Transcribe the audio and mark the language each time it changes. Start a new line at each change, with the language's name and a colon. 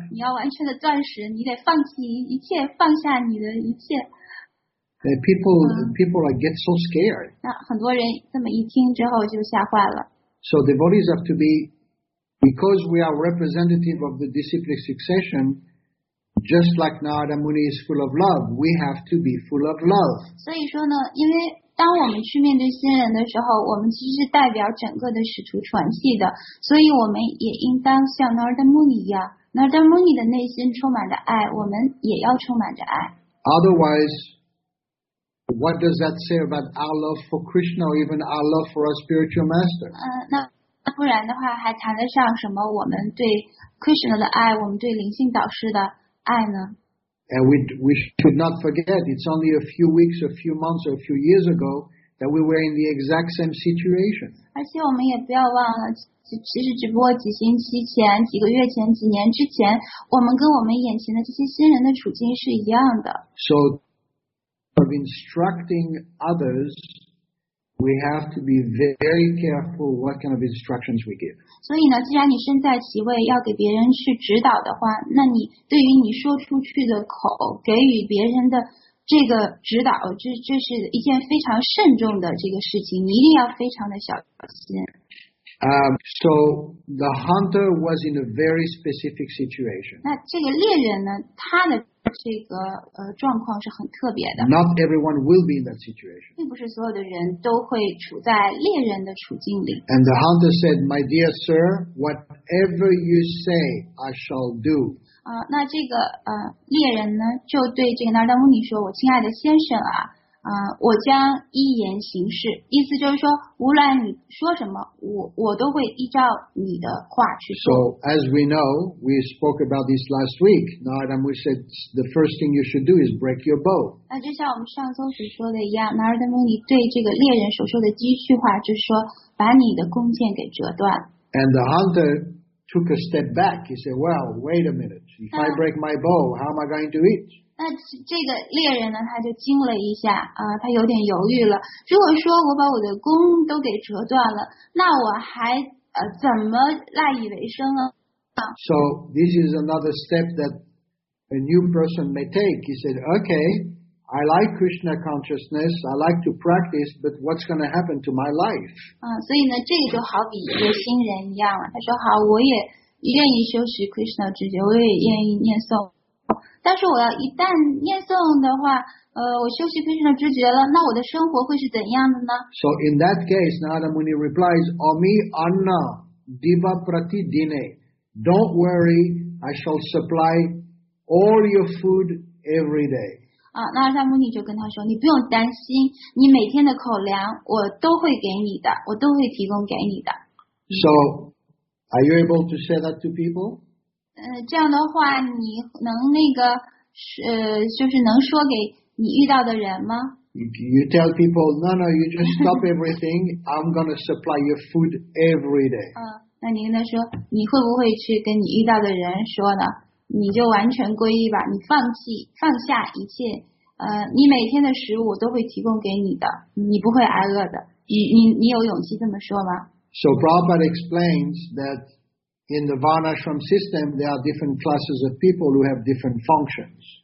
Chinese: 你要完全的断食，你得放弃一切，放下你的一切。
English: People get so scared.
Chinese: 那很多人这么一听之后就吓坏了。
English: So devotees have to be, because we are representative of the disciplic succession. Just like Narada Muni is full of love, we have to be full of love.
Chinese: 所以说呢，因为当我们去面对新人的时候，我们其实是代表整个的使徒传系的，所以我们也应当像 Narada Muni 一样。 Narada Muni 的内心充满着爱，我们也要充满着爱。
English: Otherwise, what does that say about our love for Krishna or even our love for our spiritual master?
Chinese: 那不然的话，还谈得上什么我们对 Krishna 的爱，我们对灵性导师的？
English: And we should not forget, it's only a few weeks, a few months, or a few years ago that we were in the exact same situation.
Chinese: 而且我们也不要忘了，其实只不过几星期前、几个月前、几年之前，我们跟我们眼前的这些新人的处境是一样的。
English: So, of instructing others, we have to be very careful what kind of instructions we give.
Chinese: 所以呢，既然你身在其位，要给别人去指导的话，那你对于你说出去的口，给予别人的这个指导，这是一件非常慎重的这个事情，你一定要非常的小心。
English: So the hunter was in a very specific situation.
Chinese: 那这个猎人呢，他的这个状况是很特别的。
English: Not everyone will be in that situation.
Chinese: 并不是所有的人都会处在猎人的处境里。
English: And the hunter said, "My dear sir, whatever you say, I shall do."
Chinese: 啊，那这个猎人呢，就对这个纳达姆尼说：“我亲爱的先生啊。” 我将一言行事，意思就是说，无论你说什么，我都会依照你的话去做。
English: So as we know, we spoke about this last week. Narada Muni said the first thing you should do is break your bow.
Chinese: 那就像我们上周所说的一样 ，Narada Muni 对这个猎人所说的第一句话就是说，把你的弓箭给折断。
English: And the hunter took a step back. He said, "Well, wait a minute. If I break my bow, how am I going to eat?"
Chinese: 那这个猎人呢，他就惊了一下啊，他有点犹豫了。如果说我把我的弓都给折断了，那我还怎么赖以为生呢？
English: So this is another step that a new person may take. He said, "Okay, I like Krishna consciousness. I like to practice, but what's going to happen to my life?"
Chinese: 啊，所以呢，这个就好比一个新人一样了。他说，好，我也愿意修习 Krishna 直觉，我也愿意念诵。但是我要一旦念诵的话，我休息非常的知觉了，那我的生活会是怎样的呢
English: ？So in that case, Narada Muni replies,
Bangla: "Ami anna diva prati dine.
English: Don't worry, I shall supply all your food every day."
Chinese: 啊，那达摩尼就跟他说，你不用担心，你每天的口粮我都会给你的，我都会提供给你的。
English: So, are you able to say that to people?
Chinese: 这样的话，你能那个就是能说给你遇到的人吗
English: ？You tell people, no, no, you just stop everything. I'm gonna supply your food every day.
Chinese: 那你跟他说，你会不会去跟你遇到的人说呢？你就完全皈依吧，你放下一切，你每天的食物我都会提供给你的，你不会挨饿的。你有勇气这么说吗
English: ？So Prabhupada explains that. In the Varnashram system, there are different classes of people who have different functions.